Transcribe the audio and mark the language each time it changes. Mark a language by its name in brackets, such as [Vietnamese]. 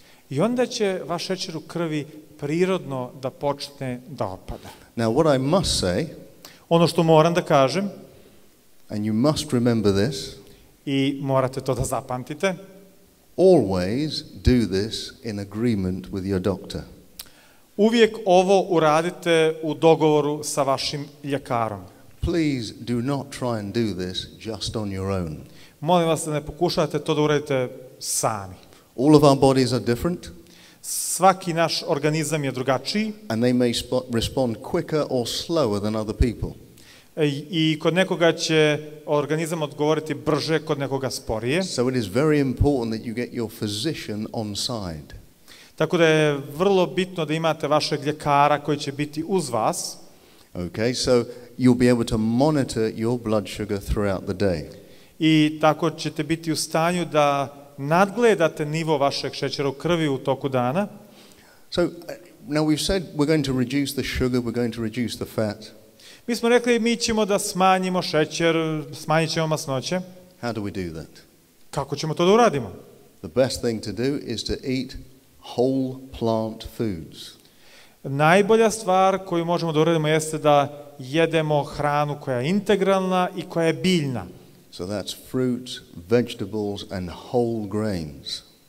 [Bosnian] I onda će vaš šećer u krvi prirodno da počne da opada. [English] Now what I must say, [Bosnian] ono što moram da kažem, [English] and you must remember this, [Bosnian] i morate to da zapamtite, [English] always do this in agreement with your doctor. [Bosnian] Uvijek ovo uradite u dogovoru sa vašim ljekarom. [English] Please do not try and do this just on your own. [Bosnian] Molim vas da ne pokušavate to da uradite sami. [English] All of our bodies are different. [Bosnian] Svaki naš organizam je drugačiji. [English] And they may respond quicker or slower than other people. [Bosnian] I kod nekoga će organizam odgovoriti brže, kod nekoga sporije. [English] So it is very important that you get your physician on side. [Bosnian] Tako da je vrlo bitno da imate vašeg ljekara koji će biti uz vas. [English] Okay, so you'll be able to monitor your blood sugar throughout the day. [Bosnian] I tako ćete biti u stanju da nadgledate nivo vašeg šećera u krvi u toku dana. [English] So now we've said we're going to reduce the sugar, we're going to reduce the fat. [Bosnian] Mi smo rekli mi ćemo da smanjimo šećer, smanjit ćemo masnoće. [English] How do we do that? [Bosnian] Kako ćemo to da uradimo? [English] The best thing to do is to eat whole plant foods. [Bosnian] Najbolja stvar koju možemo da uradimo jeste da jedemo hranu koja je integralna i koja je biljna. [English] So that's fruits, vegetables and whole grains.